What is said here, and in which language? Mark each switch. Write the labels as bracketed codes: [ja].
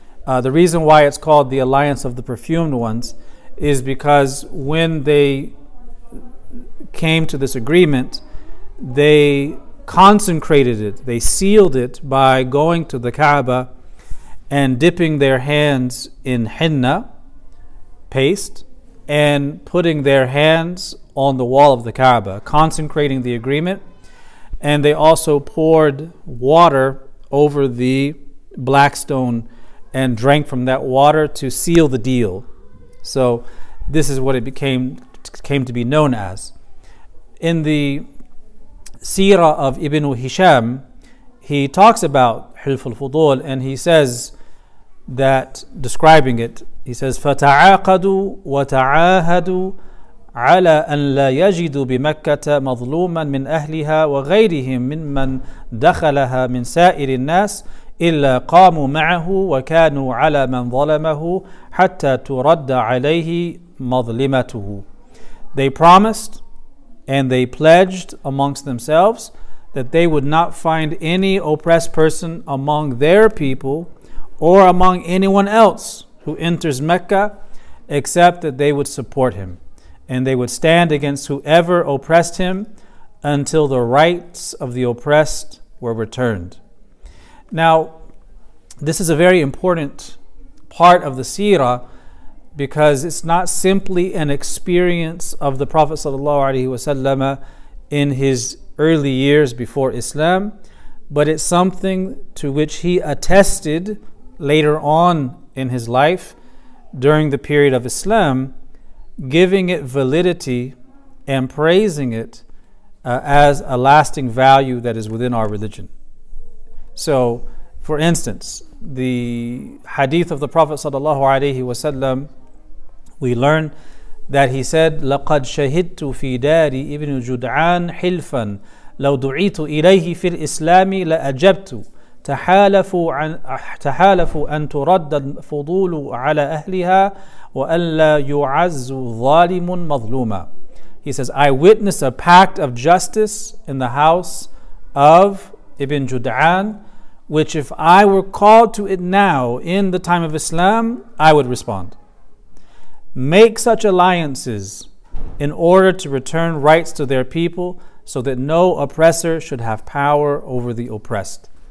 [en] The reason why it's called the Alliance of the Perfumed Ones is because when they came to this agreement, they consecrated it, they sealed it by going to the Kaaba and dipping their hands in henna paste and putting their hands on the wall of the Kaaba, consecrating the agreement. And they also poured water over the black stone and drank from that water to seal the deal. So this is what it became came to be known as. In the Sirah of Ibn Hisham, he talks about Hulf al-Fudul, and he says that, describing it, he says, [ar] فَتَعَاقَدُوا وَتَعَاهَدُوا عَلَىٰ أَنْ لَا يَجِدُوا بِمَكَّةَ مَظْلُومًا مِنْ أَهْلِهَا وَغَيْرِهِمْ مِمَّنْ دَخَلَهَا مِنْ سَائِرِ النَّاسِ إِلَّا قَامُوا مَعَهُ وَكَانُوا عَلَىٰ مَنْ ظَلَمَهُ حَتَّى تُرَدَّ عَلَيْهِ مَظْلِمَتُهُ. [en] They promised and they pledged amongst themselves that they would not find any oppressed person among their people or among anyone else who enters Mecca except that they would support him, and they would stand against whoever oppressed him until the rights of the oppressed were returned. Now, this is a very important part of the seerah, because it's not simply an experience of the Prophet sallallahu alaihi wasallam in his early years before Islam, but it's something to which he attested later on in his life during the period of Islam, giving it validity and praising it as a lasting value that is within our religion. So, for instance, the hadith of the Prophet sallallahu alaihi wasallam, we learn that he said, [ar] لَقَدْ شَهِدْتُ فِي دَارِ إِبْنُ جُدْعَانَ حِلْفًا لَوْ دُعِيتُ إِلَيْهِ فِي الْإِسْلَامِ لَأَجَبْتُ تَحَالَفُ أَنْ تُرَدَّ الْفُضُولُ عَلَىٰ أَهْلِهَا وَأَلَّا يُعَزُّ ظَالِمٌ مَظْلُومًا. [en] He says, I witnessed a pact of justice in the house of Ibn Jud'an, which if I were called to it now in the time of Islam, I would respond. Make such alliances in order to return rights to their people so that no oppressor should have power over the oppressed.